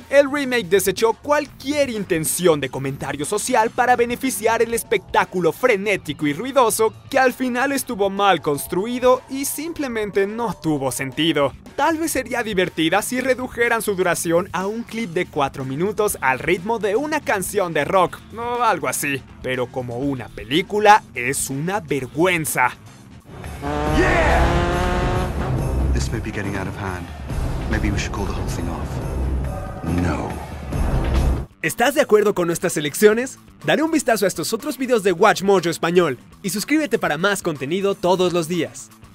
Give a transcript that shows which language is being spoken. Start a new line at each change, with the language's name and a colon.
Spanish: El remake desechó cualquier intención de comentario social para beneficiar el espectáculo frenético y ruidoso que al final estuvo mal construido y simplemente no tuvo sentido. Tal vez sería divertida si redujeran su duración a un clip de 4 minutos al ritmo de una canción de rock o algo así, pero como una película es una vergüenza.
English: Yeah! This may be getting out of hand. Maybe we should call the whole thing off. No.
Spanish: ¿Estás de acuerdo con nuestras elecciones? Daré un vistazo a estos otros videos de WatchMojo Español y suscríbete para más contenido todos los días.